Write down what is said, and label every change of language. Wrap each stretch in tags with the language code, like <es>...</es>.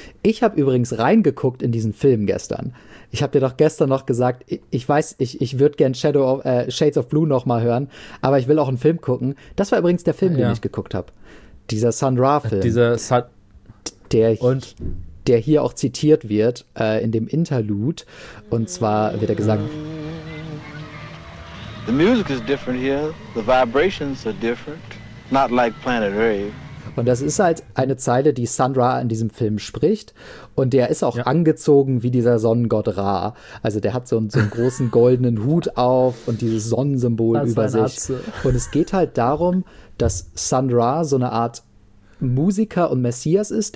<de>Ich habe übrigens reingeguckt in diesen Film gestern. Ich habe dir doch gestern noch gesagt, ich weiß, ich würde gern Shades of Blue noch mal hören, aber ich will auch einen Film gucken. Das war übrigens der Film, den ich geguckt habe. Dieser Sun Ra-Film. Der hier auch zitiert wird in dem Interlude. Und zwar wird er gesagt:</de> <en>The music is different here. The vibrations are different. Not like Planet Rave.</en> <de>Und das ist halt eine Zeile, die Sun Ra in diesem Film spricht. Und der ist auch angezogen wie dieser Sonnengott Ra. Also der hat so einen großen goldenen Hut auf und dieses Sonnensymbol über sich. Atze. Und es geht halt darum, dass Sun Ra so eine Art Musiker und Messias ist.</de>